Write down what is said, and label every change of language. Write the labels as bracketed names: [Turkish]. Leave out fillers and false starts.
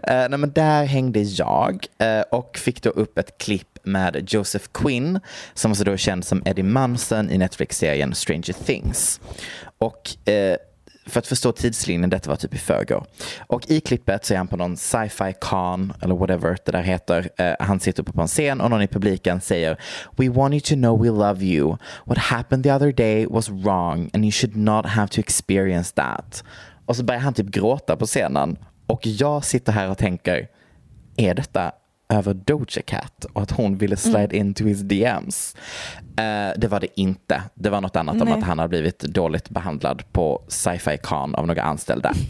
[Swedish] Nej, men där hängde jag och fick då upp ett klipp med Joseph Quinn, som alltså då är känd som Eddie Munson i Netflix-serien Stranger Things. Och för att förstå tidslinjen, detta var typ i förrgår. Och i klippet så är han på någon sci-fi con eller whatever det där heter. Han sitter uppe på en scen och någon i publiken säger, [English] we want you to know we love you. What happened the other day was wrong and you should not have to experience that. [Swedish] Och så börjar han typ gråta på scenen. Och jag sitter här och tänker, är detta över Doja Cat och att hon ville [English] slide into his DMs? [Swedish] Det var det inte. Det var något annat. Nej. Om att han har blivit dåligt behandlad på Sci-Fi Con av några anställda.